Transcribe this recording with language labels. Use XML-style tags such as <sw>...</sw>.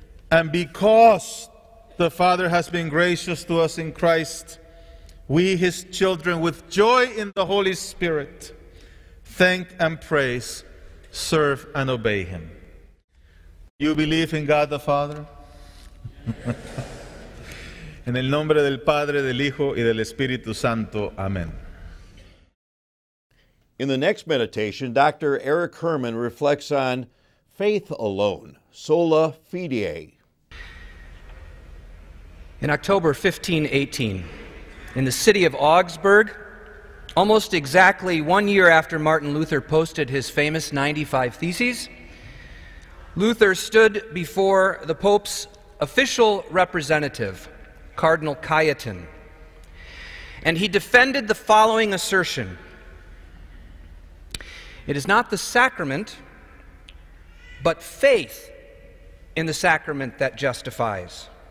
<en>And because the Father has been gracious to us in Christ, we, his children, with joy in the Holy Spirit, thank and praise, serve and obey him. You believe in God the Father?</en> <es>En el nombre del Padre, del Hijo y del Espíritu Santo. Amen.</es> <en>In the next meditation, Dr. Eric Herman reflects on faith alone, sola fide. In October 1518, in the city of Augsburg, almost exactly 1 year after Martin Luther posted his famous 95 Theses, Luther stood before the Pope's official representative, Cardinal Cajetan, and he defended the following assertion: "It is not the sacrament, but faith in the sacrament that justifies."</en>